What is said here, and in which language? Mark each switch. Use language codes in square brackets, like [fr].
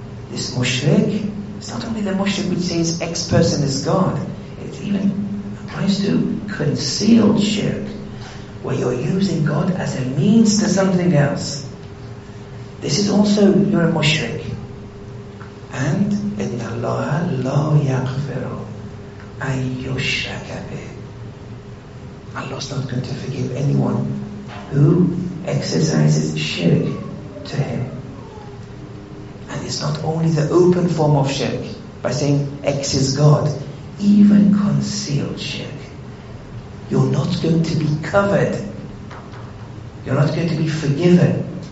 [en] This mushrik, it's not only the mushrik which says X person is God, it's even applies to concealed shirk, where you're using God as a means to something else. This is also, you're a mushrik. [ar] And إِنَّ اللَّهَ لَا يَغْفِرُ أَن يُشْرَكَ بِهِ. [en] Allah's not going to forgive anyone who exercises shirk to Him. And it's not only the open form of shirk by saying X is God, even concealed shirk. You're not going to be covered. You're not going to be forgiven.